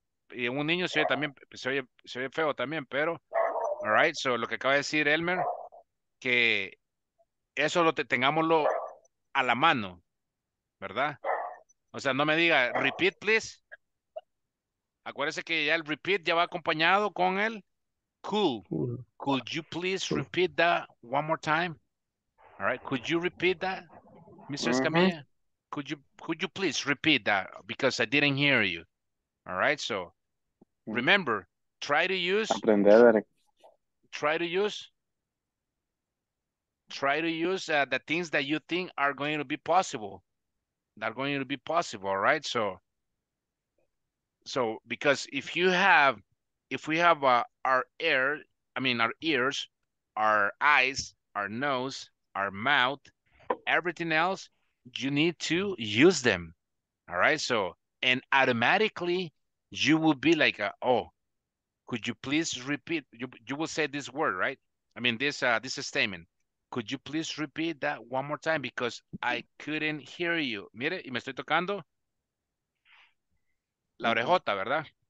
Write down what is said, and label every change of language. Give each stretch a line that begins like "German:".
Spanish: y un niño se oye también, se oye feo también, pero,
English: all right, so
Spanish: lo que acaba de decir Elmer, que eso lo tengámoslo a la mano, ¿verdad? O sea, no me diga, repeat, please. Acuérdese que ya el repeat ya va acompañado con el cool.
English: Could you please repeat that one more time? All right, could you repeat that, Mr. Escamilla? Could you please repeat that? Because I didn't hear you. All right, so remember, try to use the things that you think are going to be possible. All right, so because if we have our ears, our eyes, our nose, our mouth, everything else, you need to use them. All right, so, and automatically you will be like, could you please repeat, you will say this word, right? I mean, this statement. Could you please repeat that one more time? Because I couldn't hear you.
Spanish: Mire, y me estoy tocando la orejota, ¿verdad?